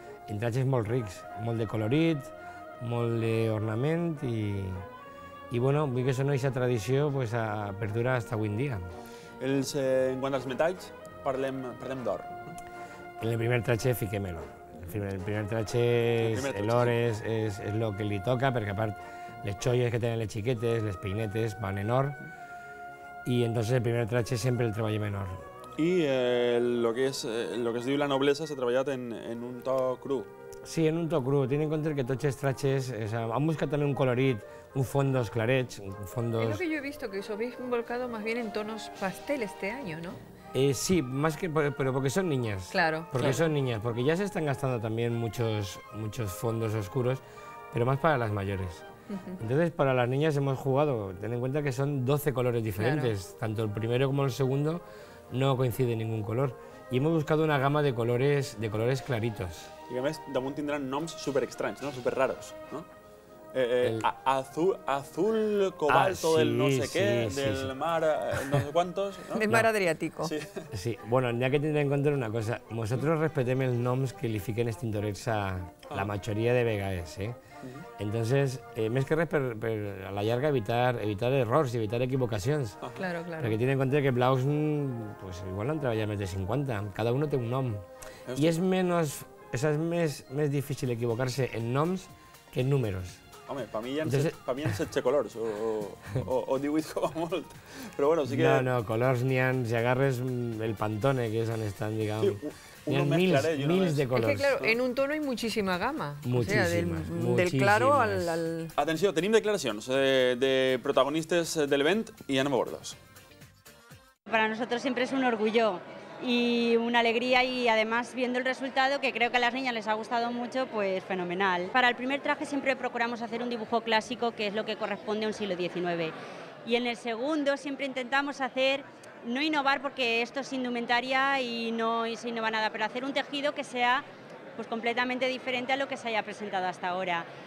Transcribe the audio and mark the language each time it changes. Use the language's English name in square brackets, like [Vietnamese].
[Catalan] En trajes molt rics, molt de colorit, molt d'ornament i vull que sona aquesta tradició perdura fins avui en dia. En quant als metalls, parlem d'or. En el primer traje fiquem l'or. El primer traje, l'or és el que li toca, perquè a part les xolles que tenen les xiquetes, les peinetes, van en or. I entonces el primer traje sempre el treballem en or. I el que es diu la noblesa s'ha treballat en un to cru. Sí, en un to cru. Tenen en compte que tots els trajes... Han buscat també un colorit, un fondos clarets, un fondos... És el que jo he vist, que us heu volcat més bé en tons pastel este any, no? Sí, però perquè són niñas. Claro. Perquè són niñas, perquè ja s'estan gastant també molts fondos oscuros, però més per a les majors. Entonces, per a les niñas hem jugat, ten en compte que són 12 colors diferents, tant el primer com el segon, [Spanish] no coincide ningún color. Y hemos buscado una gama de colores claritos. Y además, también tendrán nombres súper extraños, ¿no? Súper raros, ¿no? Azul cobalto mar, no sé cuántos, ¿no? De mar Adriático. Sí. Sí. Bueno, ya que tendré en cuenta una cosa. Vosotros respetemos el nombres que le fiquen extintores a la mayoría de vegaes, ¿eh? [Catalan] Entonces, més que res, a la llarga, evitar errors i evitar equivocacions. Claro, claro. Perquè tenen en compte que blaus, pues igual han treballat més de 50. Cada uno té un nom. I és més difícil equivocar-se en noms que en números. Home, per mi hi ha 16 colors, o 18 com a molt. Però bueno, sí que... No, colors n'hi ha, si agarres el Pantone, que és on estan, diguem... Hi ha mils de colors. És que, claro, en un tono hi ha moltíssima gama. Moltíssimes. Del claro al... Atenció, tenim declaracions de protagonistes de l'event i anem a veure-los. [Spanish] Para nosotros siempre es un orgullo y una alegría, y además viendo el resultado, que creo que a las niñas les ha gustado mucho, pues fenomenal. Para el primer traje siempre procuramos hacer un dibujo clásico, que es lo que corresponde a un siglo XIX. Y en el segundo siempre intentamos hacer, no innovar porque esto es indumentaria y no se innova nada, pero hacer un tejido que sea pues completamente diferente a lo que se haya presentado hasta ahora.